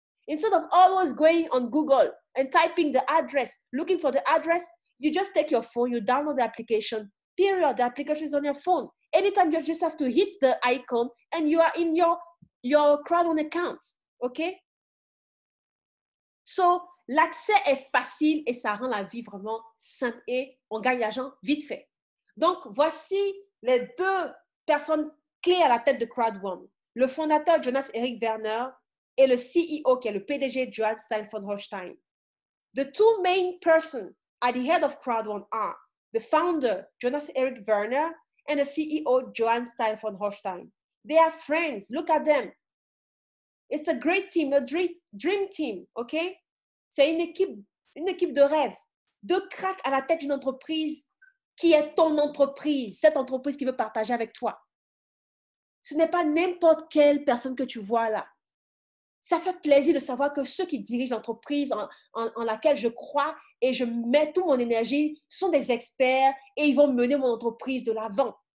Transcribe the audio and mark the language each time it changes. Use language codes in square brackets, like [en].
[en] Instead of always going on Google and typing the address, looking for the address, you just take your phone, you download the application, period. The application is on your phone. Anytime you just have to hit the icon and you are in your CrowdOne account, OK? [fr] So, l'accès est facile et ça rend la vie vraiment simple et on gagne l'argent vite fait. Donc, voici les deux personnes clés à la tête de CrowdOne. Le fondateur Jonas Eric Werner et le CEO qui est le PDG Johann Steil von Holstein. [en] The two main persons at the head of CrowdOne are the founder Jonas Eric Werner and the CEO Johann Steil von Holstein. They are friends. Look at them. It's a great team, a dream team, OK? [fr] C'est une équipe de rêve. Deux cracks à la tête d'une entreprise qui est ton entreprise, cette entreprise qui veut partager avec toi. Ce n'est pas n'importe quelle personne que tu vois là. Ça fait plaisir de savoir que ceux qui dirigent l'entreprise en laquelle je crois et je mets toute mon énergie sont des experts et ils vont mener mon entreprise de l'avant.